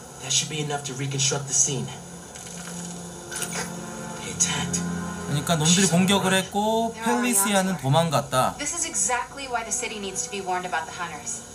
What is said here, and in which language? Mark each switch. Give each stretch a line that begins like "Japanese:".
English: That should be enough to reconstruct the scene. They attacked.
Korean: 그러니까 놈들이 공격을 했고 펠리시아는 도망갔다.
English: This is exactly why the city needs to be warned about the hunters.